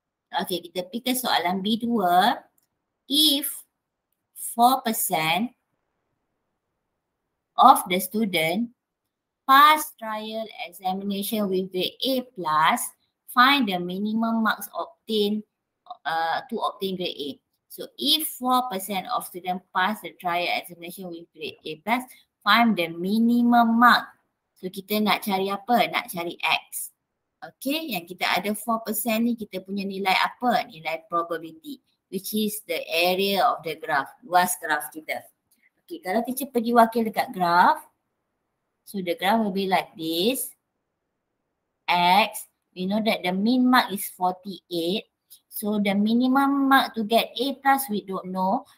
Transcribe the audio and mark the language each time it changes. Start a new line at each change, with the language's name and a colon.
English: Okay,
Malay: kita pergi ke soalan
English: B2. If 4% of the student pass trial examination with the A+, find the minimum marks obtained to obtain grade A. So if 4% of students pass the trial examination with grade A+, find the minimum mark.
Malay: So kita nak cari apa? Nak cari X. Okay, yang kita ada 4% ni kita punya nilai apa?
English: Nilai probability, which is the area of the graph,
Malay: luas graph kita.
English: Okay,
Malay: kalau teacher pergi wakil dekat graph,
English: so the graph will be like this. X, we know that the mean mark is 48. So the minimum mark to get A+, we don't know.